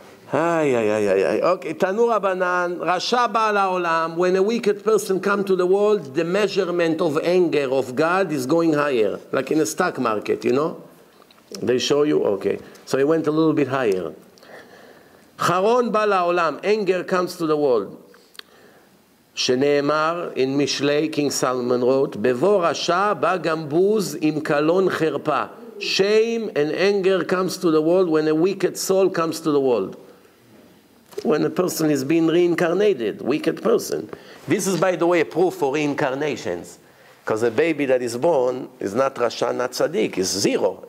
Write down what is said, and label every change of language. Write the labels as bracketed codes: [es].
[en] Ay, ay, ay, ay, ay. Okay, [he] Tanu Rabanan, Rasha Baal HaOlam, [en] when a wicked person comes to the world, the measurement of anger of God is going higher, like in a stock market, you know? They show you, okay. So it went a little bit higher. [he] Charon Baal HaOlam, [en] anger comes to the world. [he] שנאמר, [en] in Mishlei, King Solomon wrote, [he] בבוא רשע, בא גם בוז עם קלון חרפה. [en] Shame and anger comes to the world when a wicked soul comes to the world. When a person is being reincarnated, wicked person. This is, by the way, a proof for reincarnations. Because a baby that is born is not Rasha, not Tzadik, it's zero.